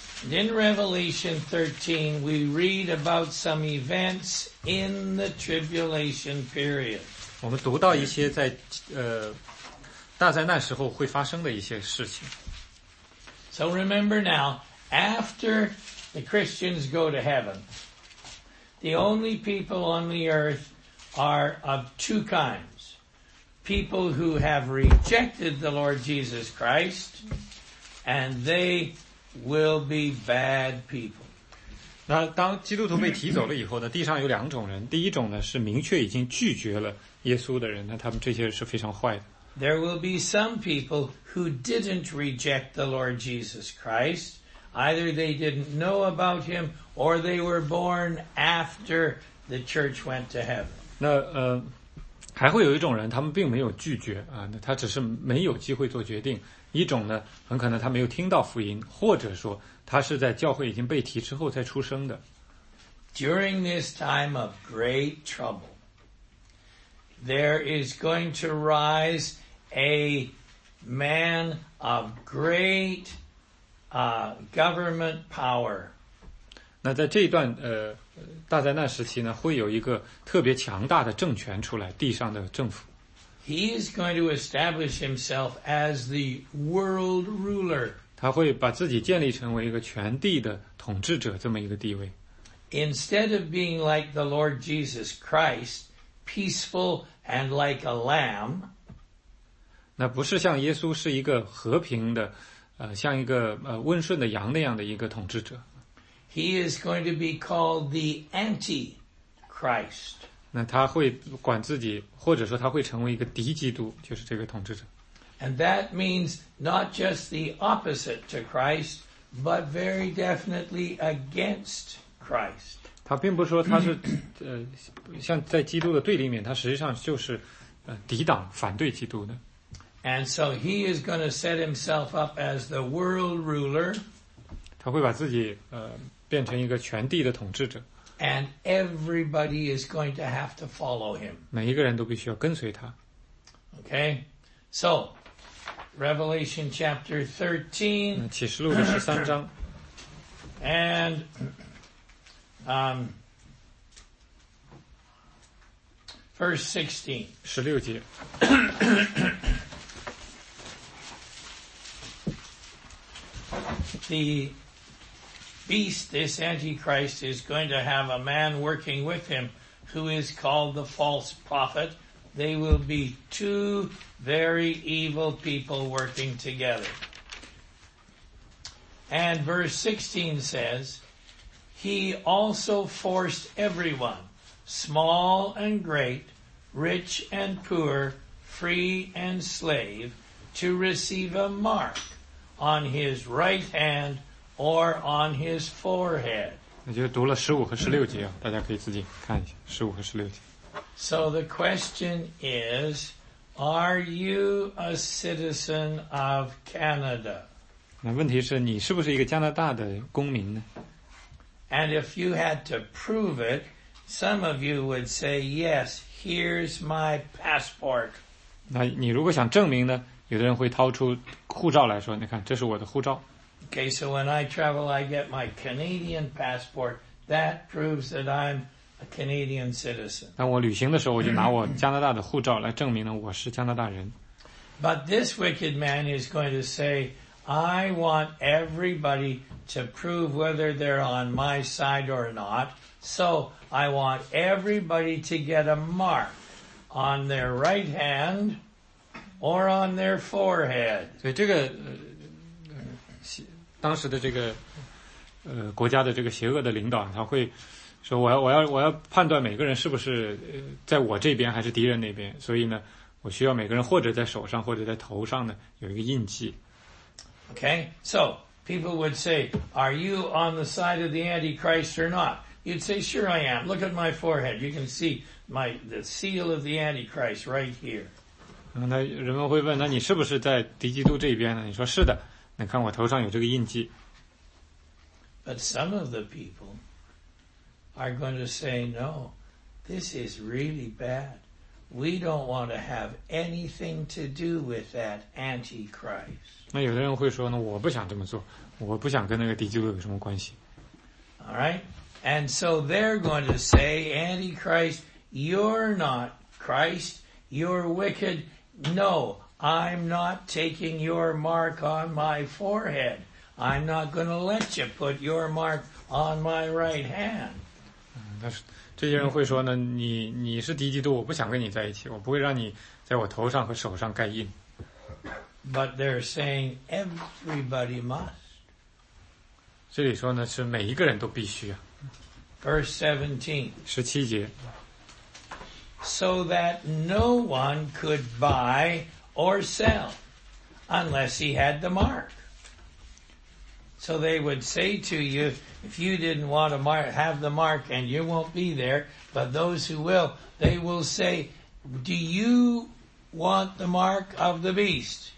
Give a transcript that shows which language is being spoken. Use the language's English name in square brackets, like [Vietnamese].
[English] In Revelation 13, we read about some events in the tribulation period. [Chinese] 我们读到一些在大灾难时候会发生的一些事情。 [English] So remember now, after the Christians go to heaven, the only people on the earth are of two kinds. People who have rejected the Lord Jesus Christ, and they will be bad people. [Chinese] 那当基督徒被提走了以后呢，地上有两种人，第一种呢，是明确已经拒绝了耶稣的人，那他们这些是非常坏的。 [English] There will be some people who didn't reject the Lord Jesus Christ. Either they didn't know about him or they were born after the church went to heaven. [Chinese] 那还会有一种人他们并没有拒绝啊，那他只是没有机会做决定。一种呢很可能他没有听到福音，或者说他是在教会已经被提之后才出生的。 [English] During this time of great trouble,There is going to rise a man of great government power. [Chinese] 那在这一段大灾难时期呢，会有一个特别强大的政权出来，地上的政府。 [English] He is going to establish himself as the world ruler. [Chinese] 他会把自己建立成为一个全地的统治者这么一个地位。 [English] Instead of being like the Lord Jesus Christ, peaceful. And like a lamb, [Chinese] 那不是像耶稣是一个和平的，像一个温顺的羊那样的一个统治者。 [English] He is going to be called the Antichrist. [Chinese] 那他会管自己，或者说他会成为一个敌基督，就是这个统治者。 [English] And that means not just the opposite to Christ, but very definitely against Christ. [Chinese] 他并不是说他是像在基督的对立面，他实际上就是抵挡反对基督的。 [English] And so he is going to set himself up as the world ruler. [Chinese] 他会把自己变成一个全地的统治者。 [English] And everybody is going to have to follow him. [Chinese] 每一个人都必须要跟随他。 [English] Okay, so Revelation chapter 13. [Chinese] 启示录的十三章。 [English] And verse 16. [Chinese] 16节。 [English] The beast, this Antichrist, is going to have a man working with him who is called the false prophet. They will be two very evil people working together. And verse 16 says,He also forced everyone, small and great, rich and poor, free and slave, to receive a mark on his right hand or on his forehead. [Chinese] 那就读了十五和十六节啊，大家可以自己看一下十五和十六节。 [English] So the question is, are you a citizen of Canada? [Chinese] 那问题是你是不是一个加拿大的公民呢？ [English] And if you had to prove it, some of you would say, yes, here's my passport. [Chinese] 那你如果想证明呢，有的人会掏出护照来说，你看，这是我的护照。 [English] Okay, so when I travel, I get my Canadian passport. That proves that I'm a Canadian citizen. [Chinese] 当我旅行的时候，我就拿我加拿大的护照来证明呢，我是加拿大人。 [English] But this wicked man is going to say,I want everybody to prove whether they're on my side or not. So I want everybody to get a mark on their right hand or on their forehead. [Chinese] 所以这个当时的这个国家的这个邪恶的领导，他会说我要判断每个人是不是在我这边还是敌人那边。所以呢，我需要每个人或者在手上或者在头上呢有一个印记。 [English] Okay? So, people would say, are you on the side of the Antichrist or not? You'd say, sure I am. Look at my forehead. You can see the seal of the Antichrist right here. [Chinese] 那人们会问，那你是不是在敌基督这边呢？你说是的。你看我头上有这个印记。 [English] But some of the people are going to say, no, this is really bad. We don't want to have anything to do with that Antichrist. [Chinese] 那有的人会说呢，我不想这么做，我不想跟那个敌基督有什么关系。 [English] All right? And so they're going to say, Antichrist, you're not Christ, you're wicked. No, I'm not taking your mark on my forehead. I'm not going to let you put your mark on my right hand. [Chinese] 但是这些人会说呢，你是敌基督，我不想跟你在一起，我不会让你在我头上和手上盖印。 [English] But they're saying everybody must. [Chinese] 这里说呢，是每一个人都必须啊。 [English] Verse 17. [Chinese] 17节。 [English] So that no one could buy or sell unless he had the mark. So they would say to you, if you didn't want to have the mark and you won't be there, but those who will, they will say, do you want the mark of the beast?